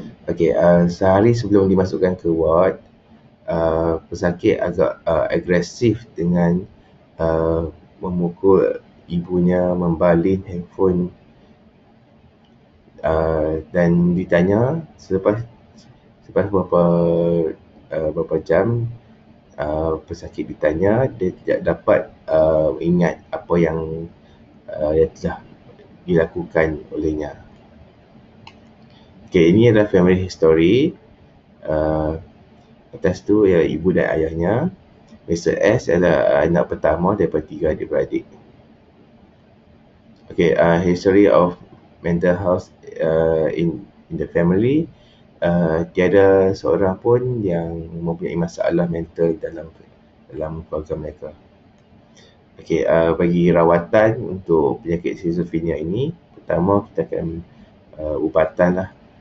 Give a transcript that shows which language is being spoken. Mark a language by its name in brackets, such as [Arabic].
[Malay] Okay, sehari sebelum dimasukkan ke ward, pesakit agak agresif dengan memukul ibunya, membalin handphone, dan ditanya selepas beberapa jam, pesakit ditanya dia tidak dapat ingat apa yang telah dilakukan olehnya. Okay, ini adalah [English] family history. [Malay] Atas tu ialah ibu dan ayahnya. Mr. S adalah anak pertama daripada 3 adik-beradik. [English] Okay, history of mental health in the family. [Malay] Tiada seorang pun yang mempunyai masalah mental dalam keluarga mereka. Okay, bagi rawatan untuk penyakit schizophrenia ini, pertama kita akan ubatan lah.